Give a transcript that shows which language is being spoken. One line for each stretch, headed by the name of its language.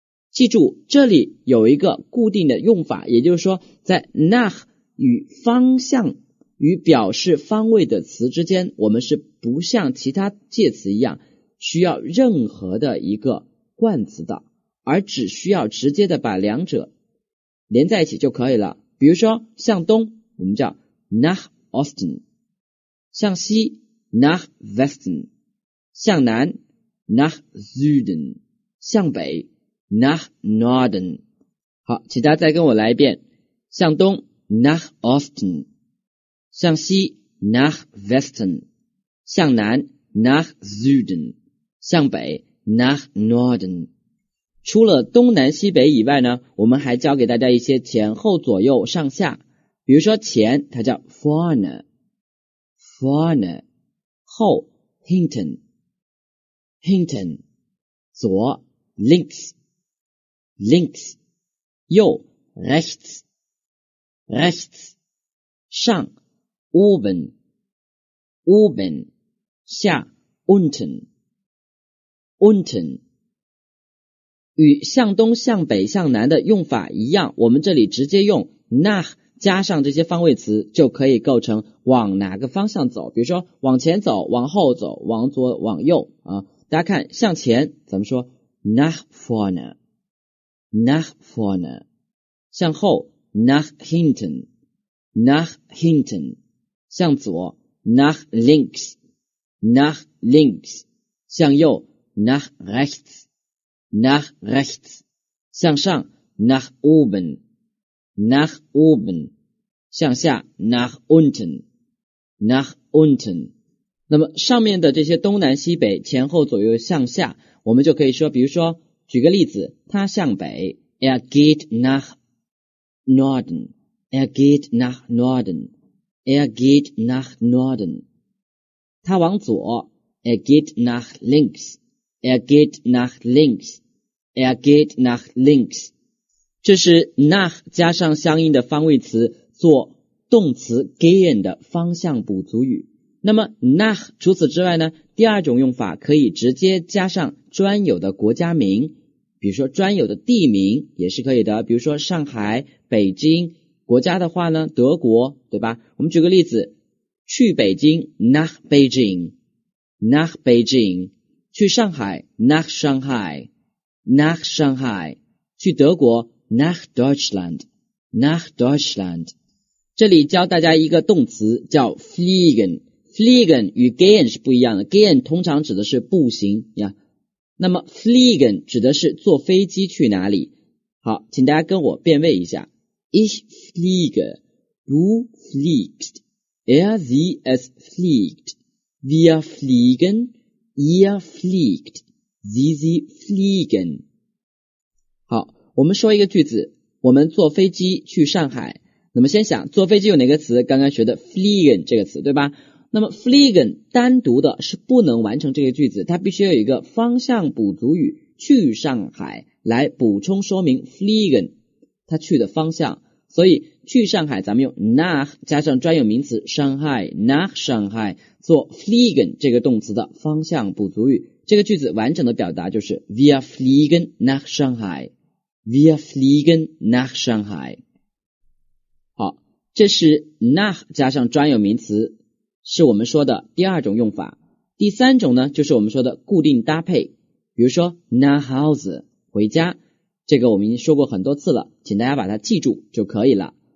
Chinese: 记住，这里有一个固定的用法，也就是说，在 nach 与方向与表示方位的词之间，我们是不像其他介词一样需要任何的一个冠词的，而只需要直接的把两者连在一起就可以了。比如说，向东我们叫
German: nach Osten。向西 nach Westen， 向南 nach Süden， 向北 nach Norden。
Chinese: 好，请大家再跟我来一遍。
German: 向东 ，nach Osten； 向西 ，nach Westen； 向南 ，nach Süden； 向北 ，nach Norden。
Chinese: 除了东南西北以外呢，我们还教给大家一些前后左右上下。比如说前，它叫
German: vorne；vorne， 后 hinten；hinten， 左 links；links， 右 rechts；rechts， 上 oben；oben， 下 unten；unten。
Chinese: 与向东、向北、向南的用法一样，我们这里直接用 nach 加上这些方位词，就可以构成往哪个方向走。比如说往前走、往后走、往左、往右啊。大家看，向前怎么说 ？
German: nach vorne，nach vorne。向后 ，nach hinten，nach hinten。向左 ，nach links，nach links。向右 ，nach rechts。 Nach rechts， 向上 ；Nach oben，Nach oben， 向下 ；Nach unten，Nach unten。
Chinese: 那么上面的这些东南西北、前后左右、向下，我们就可以说，比如说，举个例子，他向北 ，
German: Er geht nach Norden，
Chinese: Er geht nach Norden，Er geht nach Norden。他往左
German: ，Er geht nach links，Er geht nach links。 Er geht nach links，
Chinese: 这是 nach 加上相应的方位词做动词 gehen 的方向补足语。那么 nach 除此之外呢，第二种用法可以直接加上专有的国家名，比如说专有的地名也是可以的，比如说上海、北京，国家的话呢，德国，对吧？我们举个例子，去北京
German: nach Beijing， nach Beijing；
Chinese: 去上海
German: nach Shanghai。 Nach Shanghai，
Chinese: 去德国
German: ，Nach Deutschland， Nach Deutschland。
Chinese: 这里教大家一个动词叫 fliegen， fliegen 与 gehen 是不一样的， gehen 通常指的是步行呀。那么 fliegen 指的是坐飞机去哪里？好，请大家跟我辨位一下
German: ，Ich fliege， du fliegst， er sie es fliegt， wir fliegen， ihr fliegt。 Sie fliegen。
Chinese: 好，我们说一个句子，我们坐飞机去上海。那么先想坐飞机有哪个词，刚刚学的 fliegen 这个词，对吧？那么 fliegen 单独的是不能完成这个句子，它必须要有一个方向补足语去上海来补充说明 fliegen 它去的方向。所以去上海咱们用 nach 加上专有名词 Shanghai，
German: nach Shanghai
Chinese: 做 fliegen 这个动词的方向补足语。这个句子完整的表达就是
German: Wir fliegen nach Shanghai， Wir fliegen nach Shanghai。
Chinese: 好，这是 nach 加上专有名词，是我们说的第二种用法。第三种呢，就是我们说的固定搭配，比如说
German: nach Hause，
Chinese: 回家，这个我们已经说过很多次了，请大家把它记住就可以了。